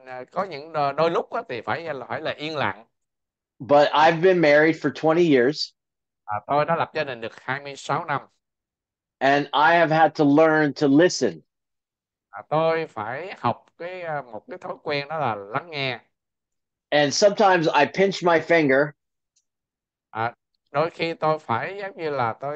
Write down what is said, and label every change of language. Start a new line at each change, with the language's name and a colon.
Vietnamese: Có những đôi lúc đó thì phải là yên lặng.
English: But I've been married for 20 years.
Vietnamese: Tôi đã lập gia đình được 26 năm.
English: And I have had to learn to listen.
Vietnamese: Tôi phải học một cái thói quen đó là lắng nghe.
English: And sometimes I pinch my finger.
Vietnamese: Đôi khi tôi phải giống như là